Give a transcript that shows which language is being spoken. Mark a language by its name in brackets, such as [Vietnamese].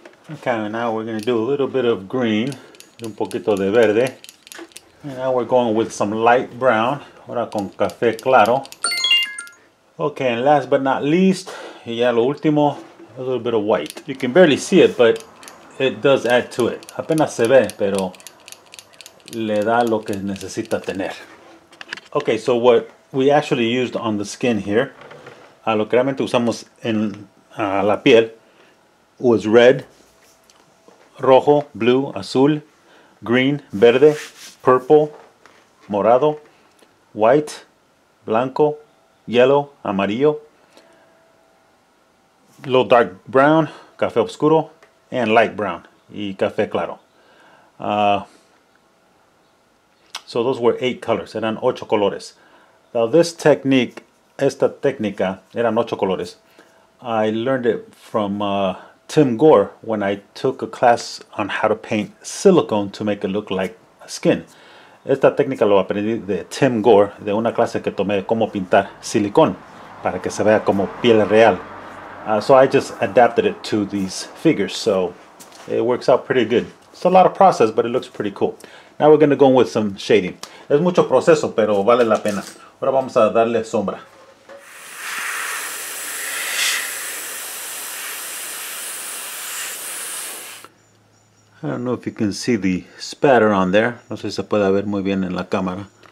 [English] Okay, now we're going to do a little bit of green. [Spanish] Un poquito de verde. [English] And now we're going with some light brown. [Spanish] Ahora con café claro. [English] Okay, and last but not least, [Spanish] y ya lo último, [English] a little bit of white. You can barely see it, but it does add to it. [Spanish] Apenas se ve, pero le da lo que necesita tener. [English] Okay, so what we actually used on the skin here, [Spanish] lo que realmente usamos en la piel, [English] was red, rojo, blue, azul, green, verde, purple, morado, white, blanco, yellow, amarillo, little dark brown, café oscuro, and light brown, y café claro. So those were 8 colors, [Spanish] eran 8 colores. [English] Now this technique, [Spanish] esta técnica, [English] eran 8 colores. I learned it from Tim Gore when I took a class on how to paint silicone to make it look like skin. [Spanish] Esta técnica lo aprendí de Tim Gore, de una clase que tomé de cómo pintar silicón para que se vea como piel real. [English] So I just adapted it to these figures, so it works out pretty good. It's a lot of process, but it looks pretty cool. Now we're going to go in with some shading. [Spanish] Es mucho proceso, pero vale la pena. Ahora vamos a darle sombra. [English] I don't know if you can see the spatter on there. [Spanish] No sé si se puede ver muy bien en la cámara.